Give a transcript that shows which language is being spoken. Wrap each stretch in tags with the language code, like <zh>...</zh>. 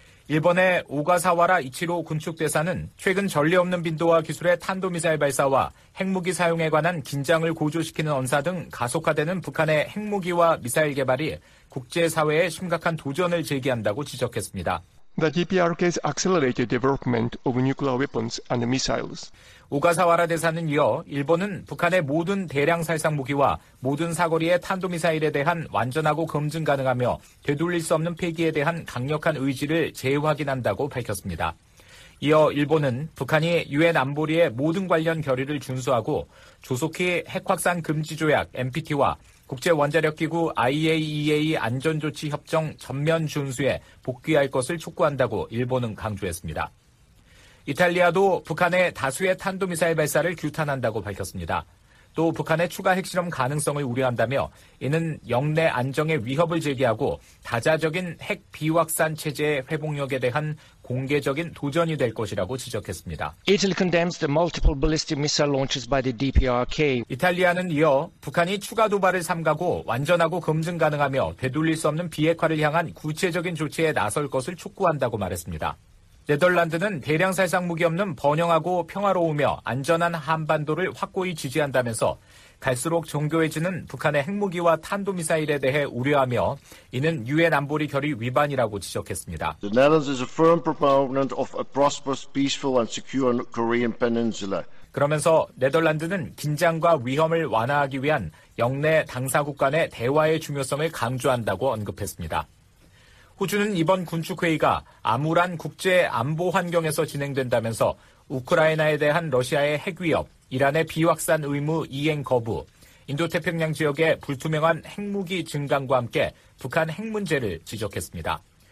<ko>일본의 오가사와라 이치로 군축대사는 최근 전례 없는 빈도와 기술의 탄도미사일 발사와 핵무기 사용에 관한 긴장을 고조시키는 언사 등 가속화되는 북한의 핵무기와 미사일 개발이 국제사회에 심각한 도전을 제기한다고 지적했습니다.</ko> <en>The DPRK has accelerated development of nuclear weapons and missiles.</en> <ko>오가사와라 대사는 이어 일본은 북한의 모든 대량 살상 무기와 모든 사거리의 탄도미사일에 대한 완전하고 검증 가능하며 되돌릴 수 없는 폐기에 대한 강력한 의지를 재확인한다고 밝혔습니다. 이어 일본은 북한이 유엔 안보리의 모든 관련 결의를 준수하고 조속히 핵확산 금지 조약 NPT와 국제원자력기구 IAEA 안전조치협정 전면 준수에 복귀할 것을 촉구한다고 일본은 강조했습니다. 이탈리아도 북한의 다수의 탄도미사일 발사를 규탄한다고 밝혔습니다. 또 북한의 추가 핵실험 가능성을 우려한다며 이는 영내 안정에 위협을 제기하고 다자적인 핵 비확산 체제의 회복력에 대한 공개적인 도전이 될 것이라고 지적했습니다.</ko> <en>Italy condemns the multiple ballistic missile launches by the DPRK.</en> <ko>이탈리아는 이어 북한이 추가 도발을 삼가고 완전하고 검증 가능하며 되돌릴 수 없는 비핵화를 향한 구체적인 조치에 나설 것을 촉구한다고 말했습니다. 네덜란드는 대량 살상 무기 없는 번영하고 평화로우며 안전한 한반도를 확고히 지지한다면서 갈수록 정교해지는 북한의 핵무기와 탄도미사일에 대해 우려하며 이는 유엔 안보리 결의 위반이라고 지적했습니다.</ko> <en>The Netherlands is a firm proponent of a prosperous, peaceful and secure Korean peninsula.</en> <ko>그러면서 네덜란드는 긴장과 위험을 완화하기 위한 영내 당사국 간의 대화의 중요성을 강조한다고 언급했습니다. 호주는 이번 군축회의가 암울한 국제 안보 환경에서 진행된다면서 우크라이나에 대한 러시아의 핵위협, 이란의 비확산 의무 이행 거부, 인도태평양 지역의 불투명한 핵무기 증강과 함께 북한 핵 문제를 지적했습니다.</ko>